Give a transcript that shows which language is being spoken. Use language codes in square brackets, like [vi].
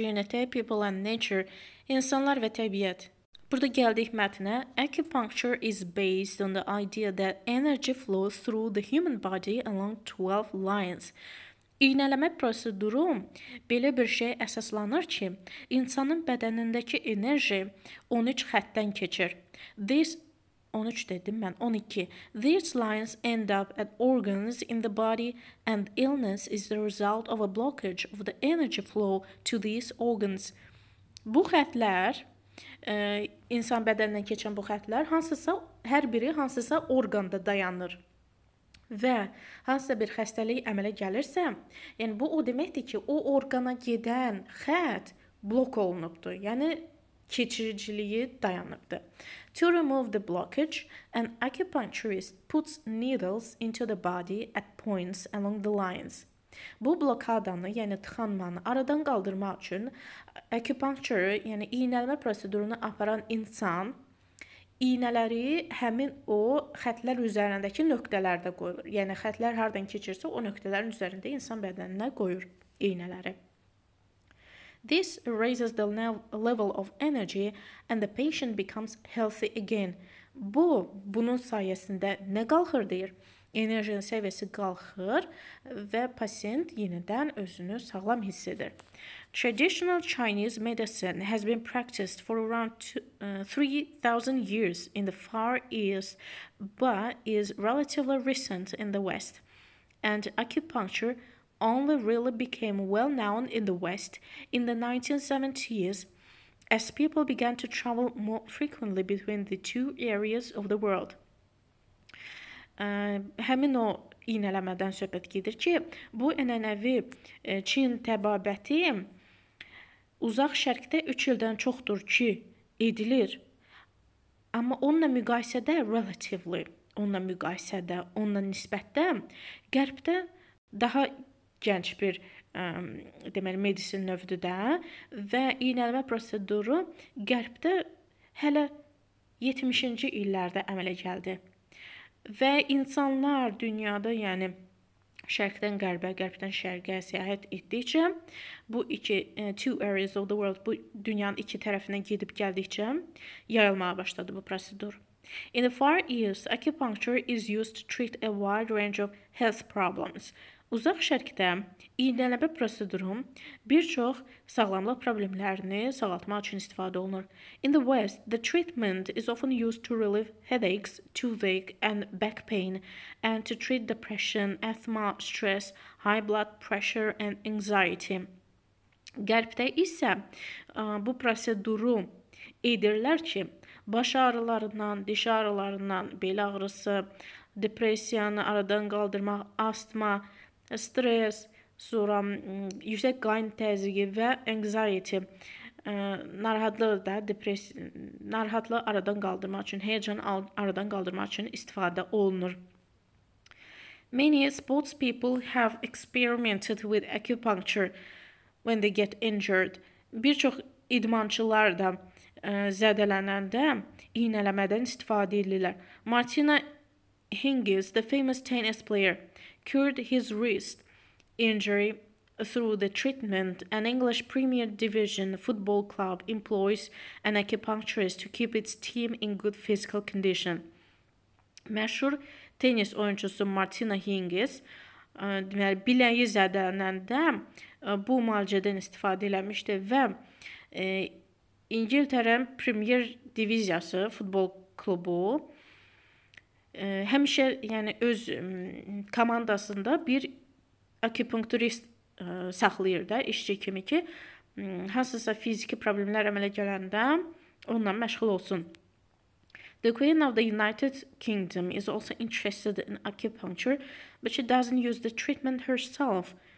[az] ünitə [en] People and Nature, [az] İnsanlar və Təbiət. Burada gəldik mətnə. [en] Acupuncture is based on the idea that energy flows through the human body along 12 lines. [az] İğnələmə proseduru belə bir şey əsaslanır ki, insanın bədənindəki enerji 13 xəttdən keçir. This 13 dedim mən, 12. [en] These lines end up at organs in the body and illness is the result of a blockage of the energy flow to these organs. [az] Bu xətlər, insan bədənindən keçən bu xətlər hansısa, hər biri hansısa orqanda dayanır. Və hansısa bir xəstəlik əmələ gəlirsə, yəni bu o deməkdir ki, o orqana gedən xət blok olunubdur. Yəni, keçiriciliyi dayanıbdır. [en] To remove the blockage, an acupuncturist puts needles into the body at points along the lines. [az] Bu blokadanı, yəni tıxanmanı aradan qaldırmaq üçün acupuncturu, yəni iğnələmə prosedurunu aparan insan iğnələri həmin o xətlər üzərindəki nöqtələrdə qoyur. Yəni xətlər hardan keçirsə o nöqtələrin üzərində insan bədəninə qoyur iğnələri. [en] This raises the level of energy and the patient becomes healthy again. [az] Bu, bunun sayəsində nə qalxır deyir? Enerjinin səviyyəsi qalxır və pasiyent yenidən özünü sağlam hiss edir. [en] Traditional Chinese medicine has been practiced for around 3,000 years in the Far East, but is relatively recent in the West. And acupuncture only really became well-known in the West in the 1970s as people began to travel more frequently between the two areas of the world. [az] Həmin o iğnələmədən söhbət gedir ki, bu ənənəvi Çin təbabəti uzaq şərqdə 3 ildən çoxdur ki, edilir. Amma onunla müqayisədə relatively, onunla müqayisədə, onunla nisbətdə qərbdə daha gənc bir deməli medisin növüdür də və iğnələmə proseduru qərbdə hələ 70-ci illərdə əmələ gəldi. Və insanlar dünyada, yəni şərqdən qərbə, qərbdən şərqə səyahət etdikcə, bu iki [en] two areas of the world, [az] bu dünyanın iki tərəfinə gedib gəldikcə yayılmağa başladı bu prosedur. [en] In the Far East, acupuncture is used to treat a wide range of health problems. [az] Uzaq şərqdə iğnələmə prosedurum bir çox sağlamlıq problemlərini sağaltmaq üçün istifadə olunur. [en] In the West, the treatment is often used to relieve headaches, toothache and back pain and to treat depression, asthma, stress, high blood pressure and anxiety. [az] Qərbdə isə bu proseduru edirlər ki, baş ağrılarından, diş ağrılarından, bel ağrısı, depressiyanı aradan qaldırmaq, astma, stres, sonra yüksək qan təzyiqi və anxiety, narahatlığı aradan qaldırmaq üçün, heyecan aradan qaldırmaq üçün istifadə olunur. [en] Many sports people have experimented with acupuncture when they get injured. [az] Bir çox idmançılar da zədələnəndə iğnələmədən istifadə edirlər. [en] Martina Hingis, the famous tennis player, cured his wrist injury through the treatment. An English Premier Division football club employs an acupuncturist to keep its team in good physical condition. [az] Məşhur tenis oyuncusu Martina Hingis deməli, biləyi zədələnəndə bu müalicədən istifadə eləmişdi və İngiltərə Premier Diviziyası futbol klubu həmişə, yəni öz komandasında bir akupunkturist saxlayır da işçi kimi ki, hansısa fiziki problemlər əmələ gələndə onunla məşğul olsun. [en] The Queen of the United Kingdom is also interested in acupuncture, but she doesn't use the treatment herself.